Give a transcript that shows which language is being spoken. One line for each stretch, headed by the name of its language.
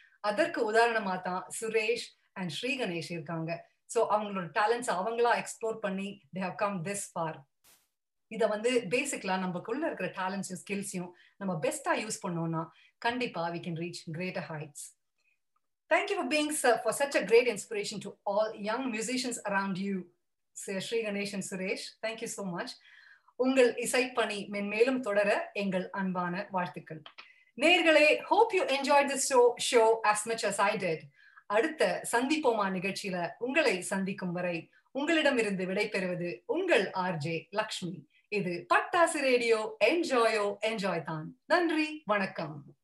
Tamil: அதற்கு உதாரணமா தான் சுரேஷ் அண்ட் ஸ்ரீகணேஷ் இருக்காங்க. ஸோ அவங்களோட டேலண்ட்ஸ் அவங்களா எக்ஸ்ப்ளோர் பண்ணி
English: They have come this far.
Tamil: இதை வந்து பேசிக்லா நம்மக்குள்ள இருக்கிற டேலண்ட்ஸையும் ஸ்கில்ஸையும் நம்ம பெஸ்டா யூஸ் பண்ணோம்னா கண்டிப்பா
English: we can reach greater heights. Thank you for being for such a great inspiration to all young musicians around you, Sir Sree Ganesh and Suresh. Thank you so much.
Tamil: உங்கள் இசை பணி மென்மேலும் தொடர எங்கள் அன்பான வாழ்த்துக்கள். நேயர்களே,
English: hope you enjoyed this show as much as I did.
Tamil: அடுத்த சந்திப்போமா நிகழ்ச்சியில உங்களை சந்திக்கும் வரை உங்களிடமிருந்து விடைபெறுவது உங்கள் ஆர்ஜே லக்ஷ்மி. இது பட்டாசு ரேடியோ, என்ஜாயோ என்ஜாய் தான். நன்றி, வணக்கம்.